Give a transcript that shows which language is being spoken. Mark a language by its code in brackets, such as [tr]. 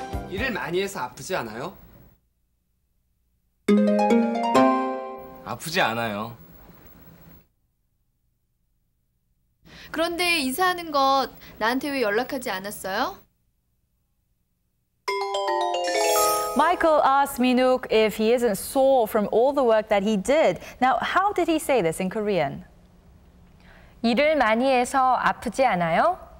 [ko] 일을 많이 해서 아프지 않아요? 아프지 않아요. 그런데 이사하는 것 나한테 왜 연락하지 않았어요? [en] Michael asked Minook if he isn't sore from all the work that he did. Now, how did he say this in Korean? [ko] 일을 많이 해서 아프지 않아요?